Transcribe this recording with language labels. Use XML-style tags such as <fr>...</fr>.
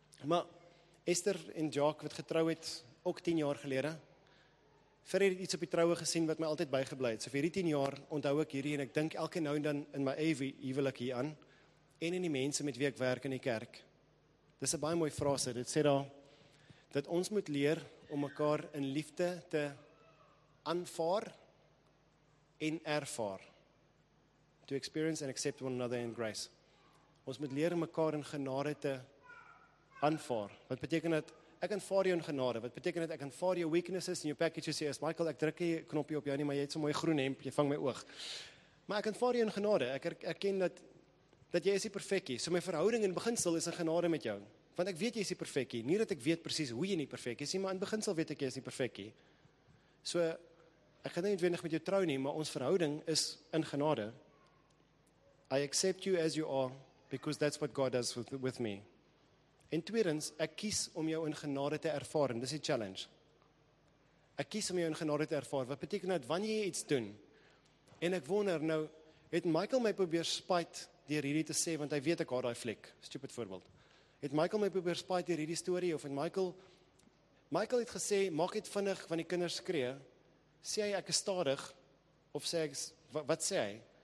<af>Maar, Esther en Jaak, wat getrou het, ook 10 jaar gelede, vir hierdie iets op die troue gesien, wat my altyd bygebly het. So vir hierdie 10 jaar, onthou ek hierdie, en ek dink elke nou en dan in my eie huwelik hier aan, en in die mense met wie ek werk in die kerk. Dis 'n baie mooi frase, dit sê daar, dat ons moet leer om mekaar in liefde te aanvaar en ervaar.</af> <en>To experience and accept one another in grace.</en> <af>Ons moet leer om mekaar in genade te aanvaar. Wat beteken dat ek aanvaar jou in genade? Wat beteken dat ek aanvaar jou weaknesses en jou packages? Sê, Michael, ek druk hier knoppie op jou nie, maar jy het so mooi groen hemp, jy vang my oog. Maar ek aanvaar jou in genade. Ek erken dat jy is die perfekkie. So my verhouding in beginsel is in genade met jou. Want ek weet jy is die perfekkie. Nie dat ek weet presies hoe jy nie perfek is nie, maar in beginsel weet ek jy is die perfekkie. So, ek gaan nie noodwendig met jou trou nie, maar ons verhouding is in genade.</af> <en>I accept you as you are, because that's what God does with me.</en> <af>En tweedens, ek kies om jou in genade te ervaar. Dis die challenge. Ek kies om jou in genade te ervaar. Wat beteken dat wanneer jy iets doen, en ek wonder, nou, het Michael my probeer spuit deur hierdie te sê, want hy weet ek haar die vlek. Stupid voorbeeld. Het Michael my probeer spuit deur hierdie story, of het Michael het gesê, maak het vinnig van die kinders skree, sê hy ek is stadig, of sê ek, wat sê hy?</af>